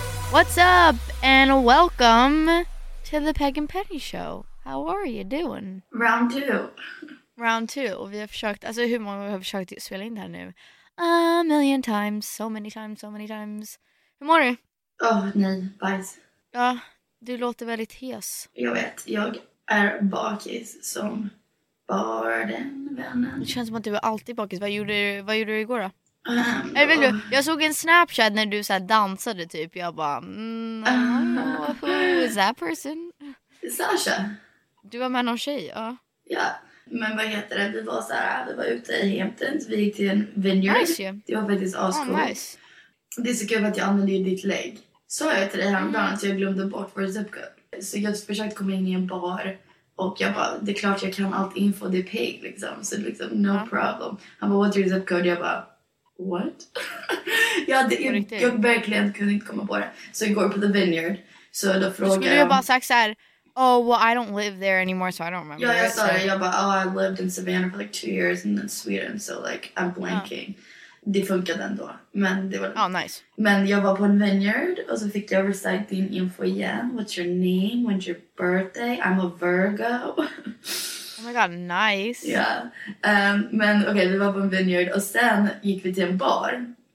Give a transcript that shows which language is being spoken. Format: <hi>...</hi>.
<en>What's up and welcome to the Peg and Penny Show. How are you doing? Round two.</en> <sv>Och vi har försökt, alltså hur många vi har försökt spela in det här nu?</sv> <en>A million times, so many times.</en> <sv>Hur mår du? Åh, nej, bajs. Ja, du låter väldigt hes. Jag vet, jag är bakis som bara den vännen. Det känns som att du är alltid bakis. Vad gjorde du igår då? Jag såg en Snapchat när du så här dansade typ. Jag bara,</sv> <en>who is that person? Sasha.</en> <sv>Du var med någon tjej, ja. Ja, men vad heter det? Vi var så här, vi var ute i Hamptons. Vi gick till en vineyard.</sv> <en>Nice, yeah.</en> <sv>Det var faktiskt ascool.</sv> <en>Oh, nice.</en> <sv>Det är så kul att jag använde ditt leg. Så jag till dig häromdagen så jag glömde bort vår zipcode. Så jag försökte komma in i en bar. Och jag bara, det är klart jag kan allt info, det är pig liksom. Så liksom,</sv> <en>no problem.</en> <sv>Han bara,</sv> <en>what's your zipcode?</en> <sv>Jag bara,</sv> <en>what?</en> <sv>jag verkligen kunde inte komma på det. Så jag går på the vineyard. Så då frågar jag... bara sagt så här...</sv> <en>Oh, well, I don't live there anymore, so I don't remember. Yeah, I saw it. Yeah, but oh, I lived in Savannah for like 2 years and then Sweden, so like I'm blanking.</en> <sv>Oh. Det funkade ändå. Men det var...</sv> <en>Oh, nice.</en> <sv>Men jag var på en vineyard och så fick jag recite din info igen.</sv> <en>What's your name? When's your birthday? I'm a Virgo. Oh my god, nice. Yeah.</en> <sv>Men okej, okay, vi var på en vineyard och sen gick vi till en bar.</sv>